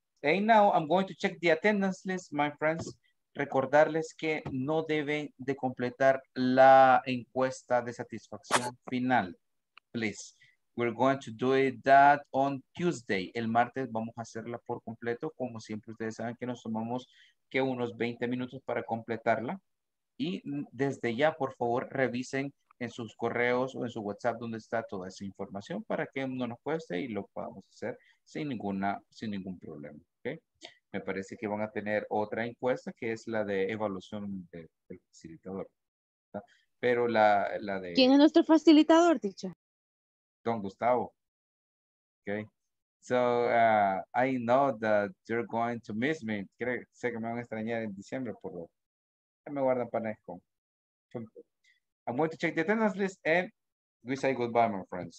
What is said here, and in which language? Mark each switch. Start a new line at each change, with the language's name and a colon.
English: And now I'm going to check the attendance list, my friends.
Spanish: Recordarles que no deben de completar la encuesta de satisfacción final.
English: Please. We're going to do that on Tuesday.
Spanish: El martes vamos a hacerla por completo. Como siempre, ustedes saben que nos tomamos que unos 20 minutos para completarla. Y desde ya, por favor, revisen en sus correos o en su WhatsApp donde está toda esa información para que no nos cueste y lo podamos hacer sin ninguna, sin ningún problema. ¿Okay? Me parece que van a tener otra encuesta que es la de evaluación del facilitador. ¿Verdad? Pero la de... ¿Quién es nuestro facilitador, teacher? Don Gustavo. Okay.
English: So I know that you're going to miss me.
Spanish: Creo, sé que me van a extrañar en diciembre, pero me guardan para Nesco.
English: I'm going to check the attendance list and we say goodbye, my friends.